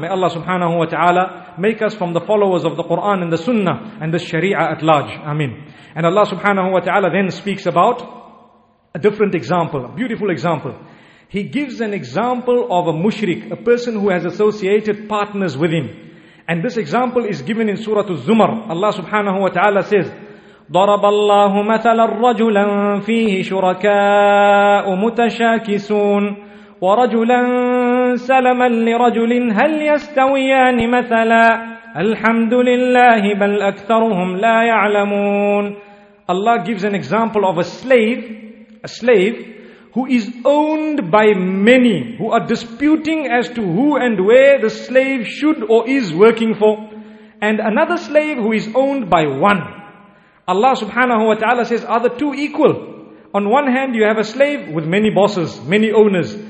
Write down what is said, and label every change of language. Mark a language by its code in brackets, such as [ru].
[en] May Allah subhanahu wa ta'ala make us from the followers of the Qur'an and the sunnah and the sharia at large. Ameen. And Allah subhanahu wa ta'ala then speaks about a different example, a beautiful example. He gives an example of a mushrik, a person who has associated partners with him. And this example is given in Surah Az-Zumar. Allah subhanahu wa ta'ala says, [ar] ضَرَبَ اللَّهُ مَثَلًا رَجُلًا فِيهِ شُرَكَاءُ مُتَشَاكِسُونَ وَرَجُلًا سَلَمًا لِرَجُلٍ هَلْ يَسْتَوِيَانِ مَثَلًا الْحَمْدُ لِلَّهِ بَلْ أَكْثَرُهُمْ لَا يَعْلَمُونَ [en] Allah gives an example of a slave who is owned by many, who are disputing as to who and where the slave should or is working for, and another slave who is owned by one. Allah subhanahu wa ta'ala says, are the two equal? On one hand, you have a slave with many bosses, many owners.